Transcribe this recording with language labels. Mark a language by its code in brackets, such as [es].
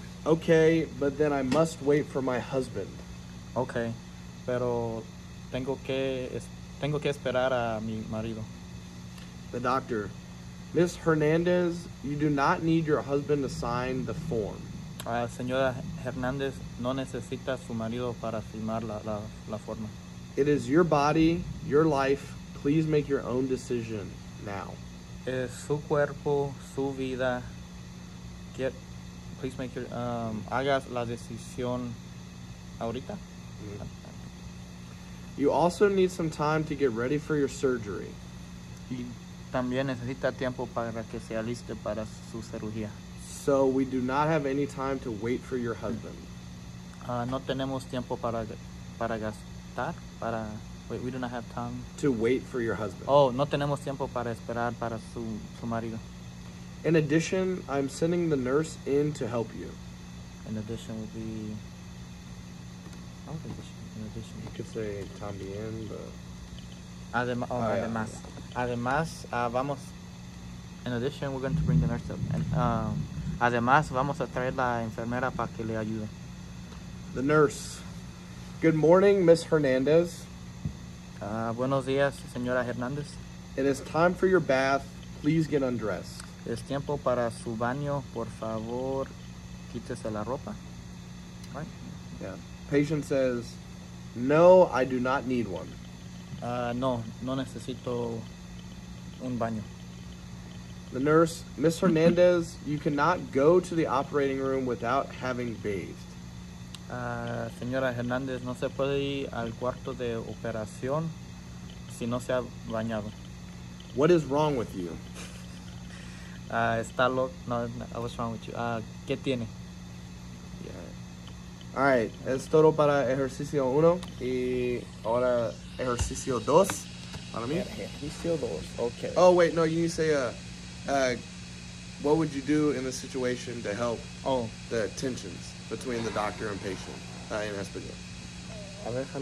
[en] Okay, but then I must wait for my husband. [es] Okay, pero tengo que esperar a mi marido. [en] The doctor. Miss Hernandez, you do not need your husband to sign the form. [es] Señora Hernandez, no necesita su marido para firmar la forma. [en] It is your body, your life. Please make your own decision now. [es] Es su cuerpo, su vida. [en] Please make your [es] hagas la decisión ahorita. Mm-hmm. [en] You also need some time to get ready for your surgery. [es] También necesita tiempo para que se aliste para su cirugía. [en] So we do not have any time to wait for your husband. [es] No tenemos tiempo para gastar para [en] wait, we do not have time to wait for your husband. [es] Oh, no tenemos tiempo para esperar para su marido. [en] In addition, I'm sending the nurse in to help you. In addition would be, You could say también, but. [es] Además. Yeah. Además, vamos. [en] In addition, we're going to bring the nurse up. [es] And, además, vamos a traer la enfermera para que le ayude. [en] The nurse. Good morning, Miss Hernandez. [es] Buenos días, señora Hernandez. [en] It is time for your bath. Please get undressed. [es] Es tiempo para su baño. Por favor, quítese la ropa. Right? [en] Yeah. Patient says, no, I do not need one. [es] No necesito un baño. [en] The nurse, Miss Hernandez, you cannot go to the operating room without having bathed. [es] Señora Hernandez, no se puede ir al cuarto de operación si no se ha bañado. [en] What is wrong with you? What's wrong with you? [es] ¿Qué tiene? [en] Yeah. [es] All right, es todo para ejercicio uno y ahora ejercicio dos. Para mí. Ejercicio dos, okay. [en] Oh, wait, no, you need to say, what would you do in the situation to help the tensions between the doctor and patient in Espanol?